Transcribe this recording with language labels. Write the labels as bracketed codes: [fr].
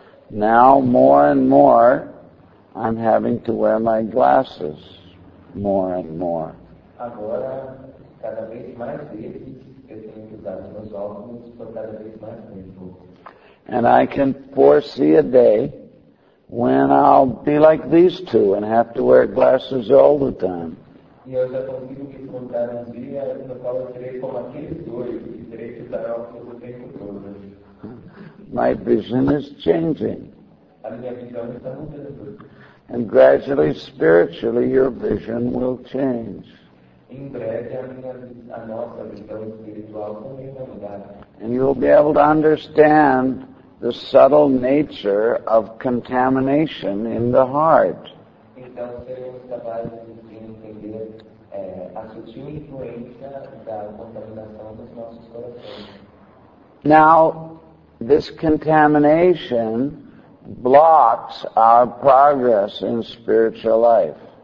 [en] Now more and more I'm having to wear my glasses more and more. [pt] Agora, cada vez mais vezes, eu tenho que usar meus óculos por cada vez mais tempo. [en] And I can foresee a day when I'll be like these two and have to wear glasses all the time. [pt] E eu já consigo me encontrar dia no qual eu serei como aqueles dois, e terei que usar óculos o tempo todo. [en] My vision is changing. [pt] A minha visão está mudando. [en] And gradually, spiritually, your vision will change. [pt] Em breve, a nossa visão espiritual também vai mudar. [en] And you'll be able to understand the subtle nature of contamination in the heart. [pt] Então, seremos capazes de entender a sutil influência da contaminação dos nossos corações. [en] Now, this contamination blocks our progress in spiritual life.